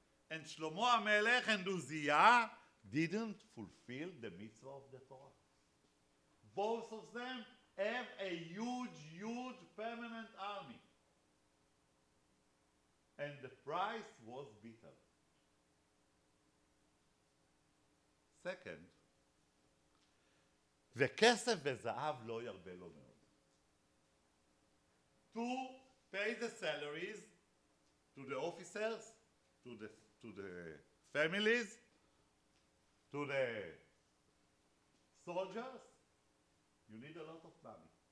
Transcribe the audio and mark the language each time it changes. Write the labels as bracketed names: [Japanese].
[English] And Shlomo HaMelech and Uziyah didn't fulfill the mitzvah of the Torah. Both of them have a huge, huge permanent army. And the price was bitter. [Hebrew] Second, וכסף וזהב לא ירבה לו מאוד. [English] To pay the salaries to the officers, to the families, to the soldiers, you need a lot of money.